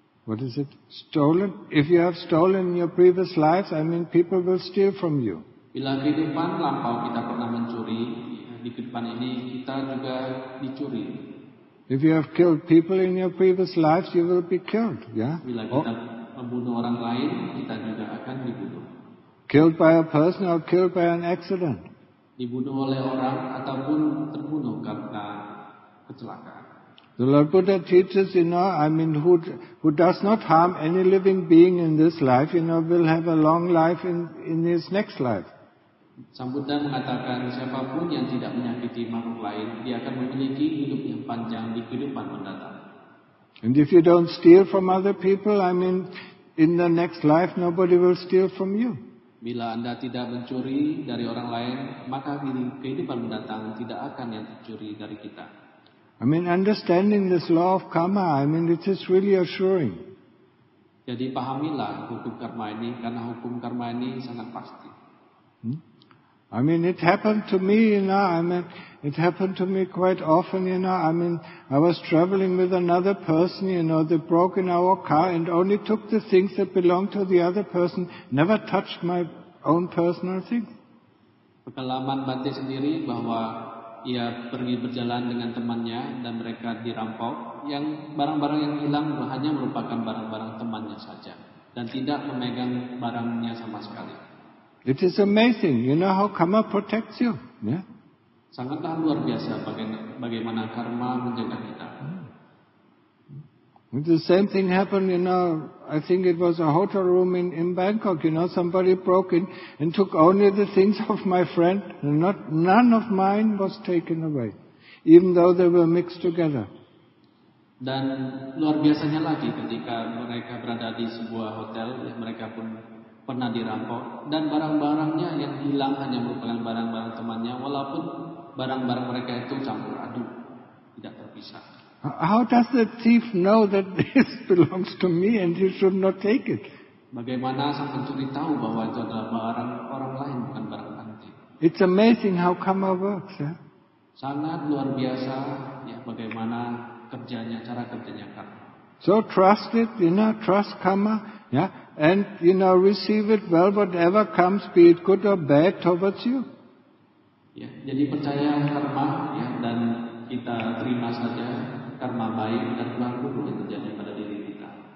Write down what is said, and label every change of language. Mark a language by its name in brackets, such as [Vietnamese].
[English] If you have stolen your previous lives, I mean, people will steal from you. [Indonesian] Bila di kehidupan lampau kita pernah mencuri, di kehidupan ini kita juga dicuri. [English] If you have killed people in your previous lives, you will be killed. Yeah. [Indonesian] Bila kita membunuh orang lain, kita juga akan dibunuh. [English] Killed by a person or killed by an accident. [Indonesian] Dibunuh oleh orang ataupun terbunuh karena kecelakaan. [English] The Lord Buddha teaches, you know, I mean, who does not harm any living being in this life, you know, will have a long life in his next life. [Indonesian] Sang Buddha mengatakan siapapun yang tidak menyakiti makhluk lain, dia akan memiliki hidup yang panjang di kehidupan mendatang. [English] And if you don't steal from other people, I mean, in the next life, nobody will steal from you. [Indonesian] Bila Anda tidak mencuri dari orang lain, maka di kehidupan mendatang tidak akan yang tercuri dari kita. [English] I mean, understanding this law of karma, I mean, it is really assuring. [Indonesian] Jadi pahamilah hukum karma ini, karena hukum karma ini sangat pasti. [English] I mean, it happened to me, you know, I mean, it happened to me quite often, you know, I mean, I was traveling with another person, you know, they broke in our car and only took the things that belonged to the other person, never touched my own personal things. [Indonesian] Pengalaman Bante sendiri bahwa ia pergi berjalan dengan temannya dan mereka dirampok, yang barang-barang yang hilang hanya merupakan barang-barang temannya saja dan tidak memegang barangnya sama sekali. [English] It is amazing, you know, how karma protects you. Yeah. [Indonesian] Sangatlah luar biasa bagaimana karma menjaga kita. Mm. [English] The same thing happened, you know, I think it was a hotel room in Bangkok, you know, somebody broke in and took only the things of my friend, and none of mine was taken away, even though they were mixed together. [Indonesian] Dan luar biasanya lagi ketika mereka berada di sebuah hotel, mereka pun pernah dirampok dan barang-barangnya yang hilang hanya merupakan barang-barang temannya, walaupun barang-barang mereka itu campur aduk, tidak terpisah. [English] How does the thief know that this belongs to me and he should not take it? [Indonesian] Bagaimana sang pencuri tahu bahwa itu adalah barang orang lain, bukan barang anti? [English] It's amazing how karma works. Yeah? [Indonesian] Sangat luar biasa, ya, bagaimana kerjanya, cara kerjanya karma. [English] So trust it, you know, trust karma, yeah, and you know, receive it well, whatever comes, be it good or bad towards you. [Indonesian] Ya, jadi percaya karma, ya, dan kita terima saja karma baik dan karma buruk yang terjadi pada diri kita.